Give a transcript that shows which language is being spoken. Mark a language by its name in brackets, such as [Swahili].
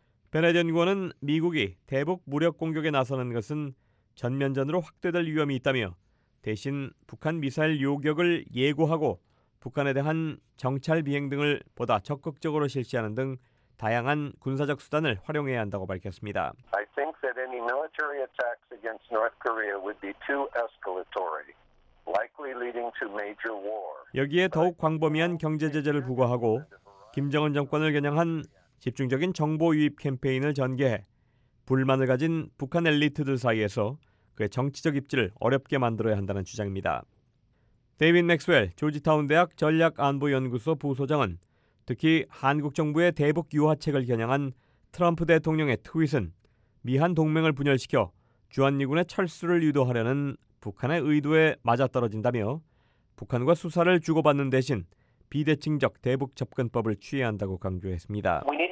[Korean] 베네드 연구원은 미국이 대북 무력 공격에 나서는 것은 전면전으로 확대될 위험이 있다며 대신 북한 미사일 요격을 예고하고 북한에 대한 정찰 비행 등을 보다 적극적으로 실시하는 등 다양한 군사적 수단을 활용해야 한다고 밝혔습니다. [English] I think that any military attacks against North Korea would be too escalatory, likely leading to major war. [Korean] 여기에 더욱 광범위한 경제 제재를 부과하고 김정은 정권을 겨냥한 집중적인 정보 유입 캠페인을 전개해 불만을 가진 북한 엘리트들 사이에서 그의 정치적 입지를 어렵게 만들어야 한다는 주장입니다. 데이빗 맥스웰 조지타운 대학 전략 안보 연구소 부소장은 특히 한국 정부의 대북 유화책을 겨냥한 트럼프 대통령의 트윗은 미한 동맹을 분열시켜 주한미군의 철수를 유도하려는 북한의 의도에 맞아떨어진다며 북한과 수사를 주고받는 대신 비대칭적 대북 접근법을 취해야 한다고 강조했습니다.